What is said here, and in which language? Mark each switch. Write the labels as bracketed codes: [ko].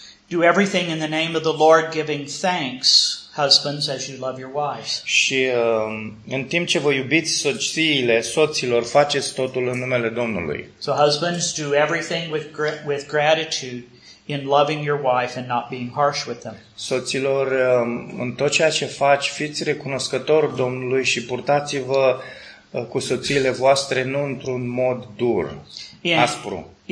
[en] Do everything in the name of the Lord, giving thanks, husbands, as you love your wives. [ro] Și în timp ce vă iubiți soțiile, soților, faceți totul în numele Domnului. [en] So husbands, do everything with gratitude in loving your wife and not being harsh with them. [ro] Soților, în tot ceea ce faci, fiți recunoscători Domnului și purtați-vă cu soțiile voastre nu într-un mod dur, aspru.